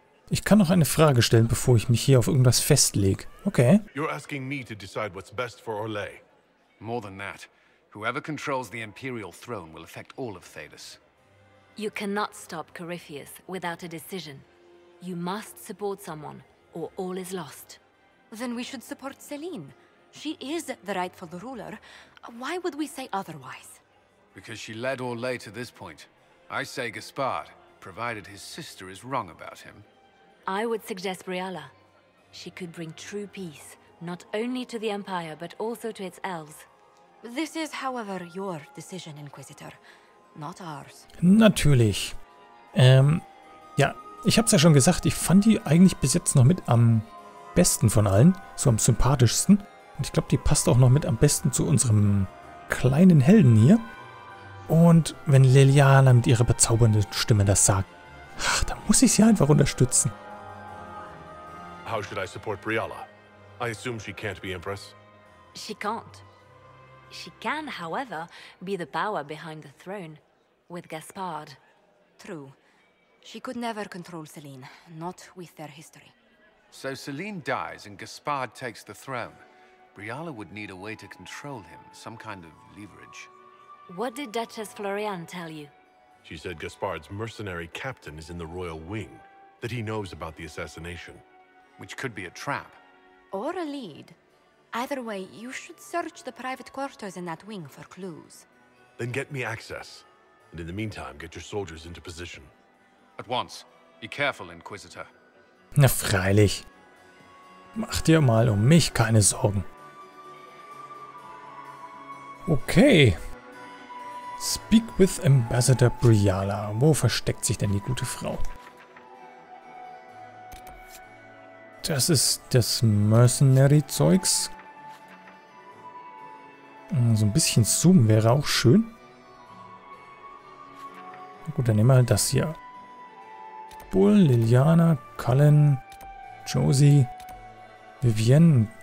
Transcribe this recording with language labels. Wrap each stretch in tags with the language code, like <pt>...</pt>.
<de>Ich kann noch eine Frage stellen, bevor ich mich hier auf irgendwas festlege. Okay.</de> <en>You're asking me to decide what's best for Orlais. More than that, whoever controls the Imperial throne will affect all of Thedas. You cannot stop Corypheus without a decision. You must support someone, or all is lost. Then we should support Celine. She is the rightful ruler. Why would we say otherwise? Because she led Orlais to this point. I say Gaspard, provided his sister is wrong about him. I would suggest Briala. She could bring true peace, not only to the Empire, but also to its elves. This is, however, your decision, Inquisitor, not ours.</en> <de>Natürlich. Ja, ich hab's ja schon gesagt, ich fand die eigentlich bis jetzt noch mit am besten von allen, so am sympathischsten. Und ich glaube, die passt auch noch mit am besten zu unserem kleinen Helden hier. Und wenn Liliana mit ihrer bezaubernden Stimme das sagt, ach, dann muss ich sie einfach unterstützen.</de> <en>How should I support Briala? I assume she can't be Empress. She can't. She can, however, be the power behind the throne, with Gaspard. True. She could never control Celine, not with their history. So Celine dies and Gaspard takes the throne. Briala would need a way to control him, some kind of leverage. What did Duchess Florian tell you? She said Gaspard's mercenary captain is in the royal wing, that he knows about the assassination. Which could be a trap. Or a lead. Either way, you should search the private quarters in that wing for clues. Then get me access. And in the meantime, get your soldiers into position. At once. Be careful, Inquisitor.</en> <de>Na freilich. Mach dir mal um mich keine Sorgen. Okay.</de> <en>Speak with Ambassador Briala.</en> <de>Wo versteckt sich denn die gute Frau? Das ist das Mercenary-Zeugs. So ein bisschen Zoom wäre auch schön. Na gut, dann nehmen wir das hier. Bull, Liliana, Cullen, Josie, Vivienne.</de>